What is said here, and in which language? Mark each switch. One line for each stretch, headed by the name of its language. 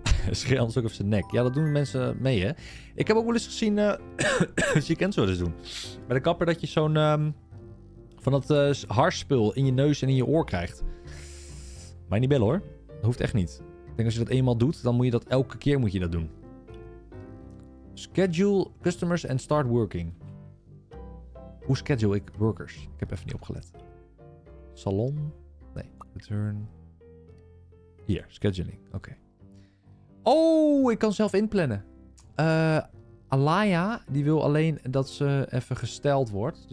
Dutch: Schreeuw anders ook op zijn nek. Ja, dat doen mensen mee, hè. Ik heb ook wel eens gezien... zie ik zo eens doen. Met een kapper dat je zo'n... van dat harsspul in je neus en in je oor krijgt. Maar niet bellen, hoor. Dat hoeft echt niet. Ik denk als je dat eenmaal doet, dan moet je dat elke keer moet je dat doen.
English: Schedule customers and start working.
Dutch: Hoe schedule ik workers? Ik heb even niet opgelet. Salon? Nee. Return. Hier, scheduling. Oké. Oh, ik kan zelf inplannen. Alaya, die wil alleen dat ze even gesteld wordt.